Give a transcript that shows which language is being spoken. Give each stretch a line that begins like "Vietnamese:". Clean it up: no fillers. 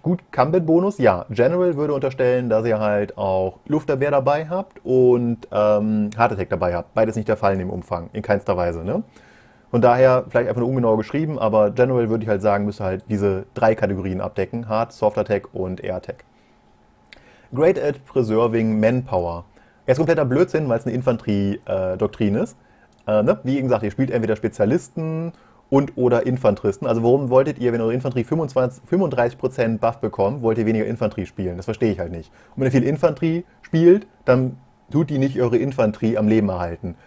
German: Gut Combat Bonus, ja. General würde unterstellen, dass ihr halt auch Luftabwehr dabei habt und Heart Attack dabei habt. Beides nicht der Fall in dem Umfang. In keinster Weise, ne? Und daher, vielleicht einfach nur ungenau geschrieben, aber General würde ich halt sagen, müsste halt diese drei Kategorien abdecken: Hard, Soft Attack und Air Attack.
English: Great at preserving Manpower.
German: Er ist kompletter Blödsinn, weil es eine Infanterie-Doktrin ist. Ne? Wie eben gesagt, ihr spielt entweder Spezialisten und oder Infanteristen. Also, warum wolltet ihr, wenn eure Infanterie 35% Buff bekommt, wollt ihr weniger Infanterie spielen? Das verstehe ich halt nicht. Und wenn ihr viel Infanterie spielt, dann tut die nicht eure Infanterie am Leben erhalten.